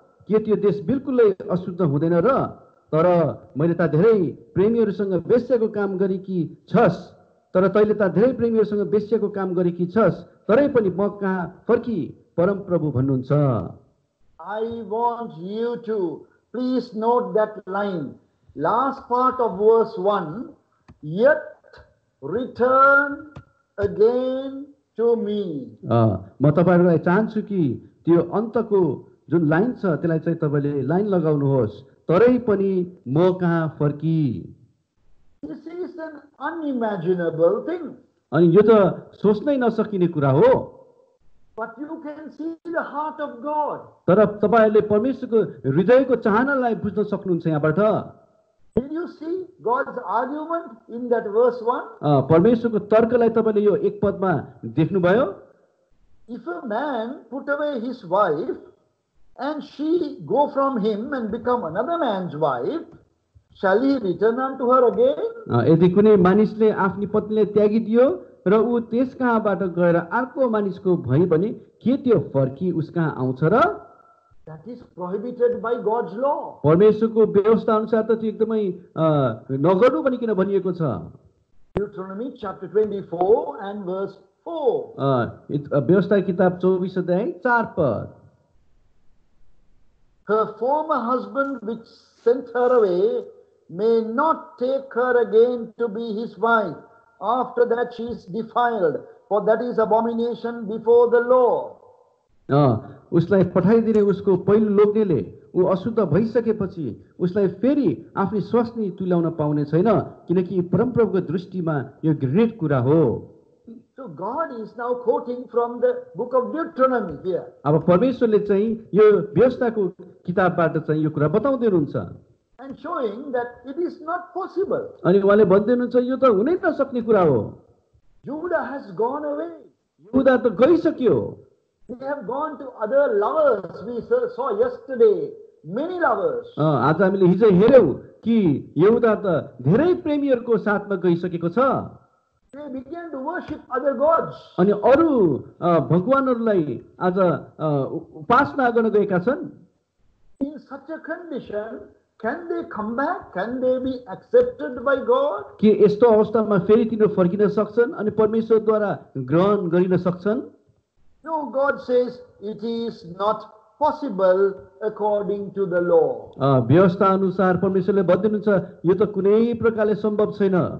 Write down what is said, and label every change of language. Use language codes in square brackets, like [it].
[ne] के त्यो देश बिल्कुलै अशुद्ध हुँदैन र तर मैले त धेरै प्रेमीहरूसँग वेश्याको काम गरेकी छस् तर तैले त धेरै प्रेमीहरूसँग वेश्याको काम गरेकी छस् तरै पनि म कहाँ फर्की परम प्रभु भन्नुहुन्छ [en] I want you to please note that line last part of verse 1 yet return again to me [ne] म तपाईहरुलाई चाहन्छु कि त्यो अन्तको जुन लाइन छ त्यसलाई चाहिँ तपाईले लाइन लगाउनु होस् तरै पनि म कहाँ फर्की [en] this is an unimaginable thing [ne] अनि यो त सोच्नै नसकिने कुरा हो [en] But you can see the heart of God. [ne] तर तपाईहरुले परमेश्वरको हृदयको चाहनालाई बुझ्न सक्नुहुन्छ यहाँबाट. [en] Can you see God's argument in that verse 1? [ne] परमेश्वरको तर्कलाई तपाईले यो एक पदमा देख्नुभयो? [en] If a man put away his wife and she go from him and become another man's wife, shall he return unto her again? [ne] यदि कुनै मानिसले आफ्नी पत्नीलाई त्यागिदियो र ऊ त्यस कहाँबाट गएर अर्को मानिसको भए पनि के त्यो फर्की उसका आउँछ र [en] That is prohibited by God's law. [ne] परमेश्वरको व्यवस्था अनुसार त त्यो एकदमै नगर्नु पनि किन भनिएको छ [en] Deuteronomy chapter 24 and verse 4 [ne] व्यवस्था किताब 24 अध्याय 4 पद [en] Her former husband which sent her away may not take her again to be his wife. After that she is defiled, for that is abomination before the law. [ne] उसलाई पठाइदिने उसको पहिलो लोग्नेले ऊ अशुद्ध भइसकेपछि उसलाई फेरि आफ्नो स्वास्नी तुल्याउन पाउने छैन किनकि परमप्रभुको दृष्टिमा यो घृणित कुरा हो [en] So God is now quoting from the book of Deuteronomy here. [ne] अब परमेश्वरले चाहिँ यो व्यवस्थाको किताबबाट चाहिँ यो कुरा बताउँदै हुनुहुन्छ [en] And showing that it is not possible. [ne] अनि उहाँले भन्दिनुहुन्छ यो त हुनै नसक्ने कुरा हो. [en] Judah has gone away. [ne] युदा त गइसक्यो. [en] They have gone to other lovers. We saw yesterday many lovers. [ne] आज हामीले हिजो हेर्यौ कि युदा त धेरै प्रेमीहरूको साथमा गइसकेको छ. [en] They began to worship other gods. [ne] अनि अरु भगवानहरूलाई आज उपासना गर्न गएका छन्. [en] In such a condition Can they come back? Can they be accepted by God? [ne] कि यस्तो अवस्थामा फेरि तिनीहरू फर्किन सक्छन् अनि परमेश्वरद्वारा ग्रहण गरिन सक्छन्? [en] No, God says it is not possible according to the law. [ne] व्यवस्था अनुसार परमेश्वरले भन्दिनुहुन्छ यो त कुनै प्रकारले सम्भव छैन.